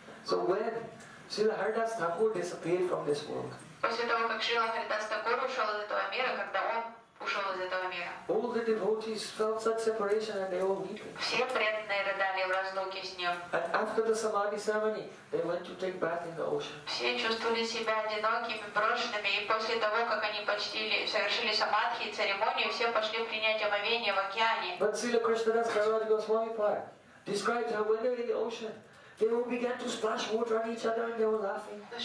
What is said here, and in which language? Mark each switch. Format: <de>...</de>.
<en>So when Srila Haridas Thakur disappeared from this world,</en> <ru>после того, как Шрила Харидас Такур ушел из этого мира, когда он ушел из этого мира,</ru> <en>all the devotees felt such separation and they all weeping.</en> <ru>Все преданные рыдали в разлуке с ним.</ru> <en>And after the Samadhi ceremony, they went to take bath in the ocean.</en> <ru>Все чувствовали себя одинокими, брошенными, и после того, как они почтили, совершили самадхи и церемонию, все пошли принять омовение в океане.</ru> <en>But Srila Krishnadas Kaviraj Goswami Pai described how when they were in the ocean, they all began to splash water on each other and they were laughing.</en>